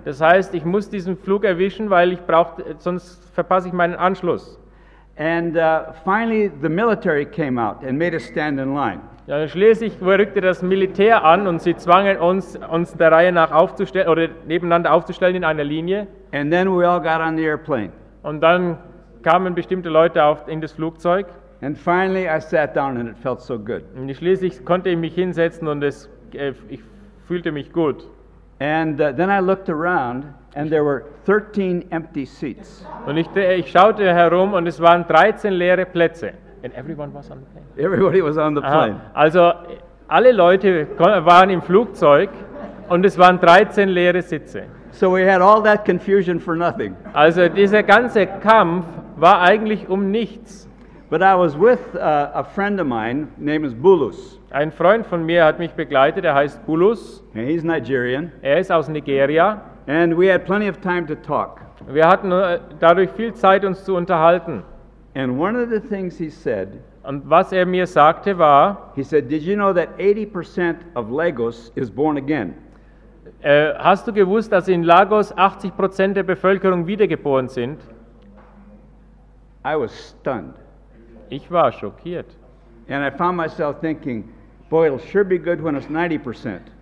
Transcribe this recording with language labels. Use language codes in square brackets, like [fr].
[de] Das heißt, ich muss diesen Flug erwischen, weil ich brauche, sonst verpasse ich meinen Anschluss. [en] And finally the military came out and made us stand in line. [de] Ja, schließlich rückte das Militär an und sie zwangen uns der Reihe nach aufzustellen oder nebeneinander aufzustellen in einer Linie. [en] And then we all got on the airplane. [de] Und dann kamen bestimmte Leute in das Flugzeug. [en] And finally I sat down and it felt so good. [de] Und schließlich konnte ich mich hinsetzen und ich fühlte mich gut. [en] And then I looked around and there were 13 empty seats. [de] Und ich schaute herum und es waren 13 leere Plätze. [en] And everyone was on the plane. Everybody was on the plane. [de] Also alle Leute waren im Flugzeug und es waren 13 leere Sitze. [en] So we had all that confusion for nothing. [de] Also dieser ganze Kampf war eigentlich um nichts. [en] But I was with a friend of mine, name is Bulus. [de] Ein Freund von mir hat mich begleitet, er heißt Bulus. [en] And he's Nigerian. [de] Er ist aus Nigeria. [en] And we had plenty of time to talk. [de] Wir hatten dadurch viel Zeit, uns zu unterhalten. [en] And one of the things he said, [de] und was er mir sagte war, [en] he said, did you know that 80% of Lagos is born again? [de] Hast du gewusst, dass in Lagos 80% der Bevölkerung wiedergeboren sind? [en] I was stunned. [de] Ich war schockiert. [en] And I found myself thinking, boy, it'll sure be good when it's 90%.